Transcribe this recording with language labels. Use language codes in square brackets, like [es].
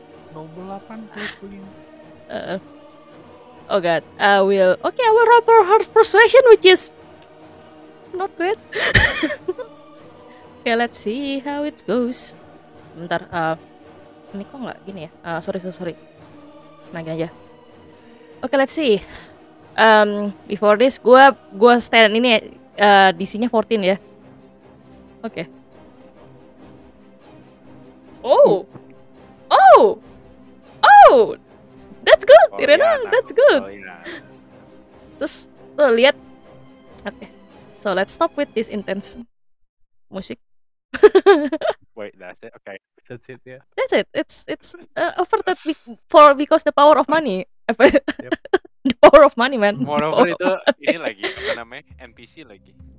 [en] Oh god, I will roll for her persuasion, which is not good. Okay, let's see how it goes. [id] Sebentar, ini kok nggak gini ya? [en] Sorry. [id] Nah, gini aja. [en] Okay, let's see. Before this, [id] gue stand ini DC-nya 14 ya. Okay. [en] Oh, that's good, Irena. That's good. Just lihat. Okay, so let's stop with this intense music. Wait, that's it. Okay, that's it. Yeah. That's it. It's over that because the power of money. Yep. The power of money, man. [id] Moreover, itu ini lagi apa namanya NPC lagi.